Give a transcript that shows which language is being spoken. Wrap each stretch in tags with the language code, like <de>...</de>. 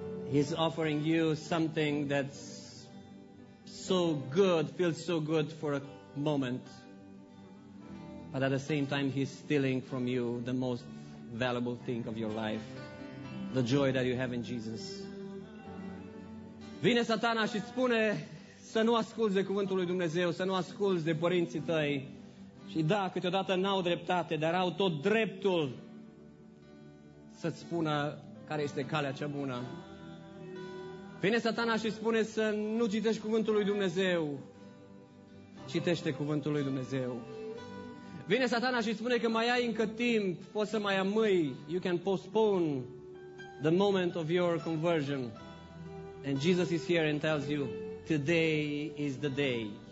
<en>He's offering you something that's so good, feels so good for a moment. But at the same time, he's stealing from you the most valuable thing of your life. The joy that you have in Jesus.</en> <ro>Vine Satana și spune să nu asculți de cuvântul lui Dumnezeu, să nu asculți de părinții tăi. Și da, câteodată n-au dreptate, dar au tot dreptul să-ți spună care este calea cea bună. Vine Satana și spune să nu citești cuvântul lui Dumnezeu. Citește cuvântul lui Dumnezeu. Vine Satana și spune că mai ai încă timp, poți să mai amâi.</ro> <en>You can postpone the moment of your conversion. And Jesus is here and tells you, today is the day.</en>